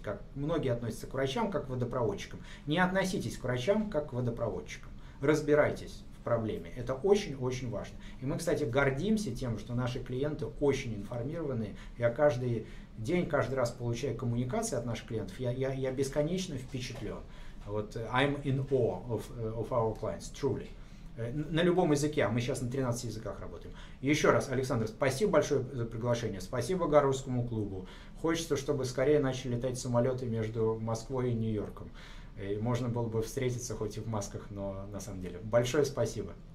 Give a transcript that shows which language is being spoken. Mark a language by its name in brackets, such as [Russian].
[Russian] Как многие относятся к врачам как к водопроводчикам. Не относитесь к врачам как к водопроводчикам. Разбирайтесь в проблеме. Это очень-очень важно. И мы, кстати, гордимся тем, что наши клиенты очень информированные. Я каждый день, каждый раз получаю коммуникации от наших клиентов. Я бесконечно впечатлен. [English] Вот I'm in awe of our clients, truly. [Russian] На любом языке, а мы сейчас на 13 языках работаем. Еще раз, Александр, спасибо большое за приглашение. Спасибо Гарвардскому клубу. Хочется, чтобы скорее начали летать самолеты между Москвой и Нью-Йорком. И можно было бы встретиться хоть и в масках, но на самом деле. Большое спасибо.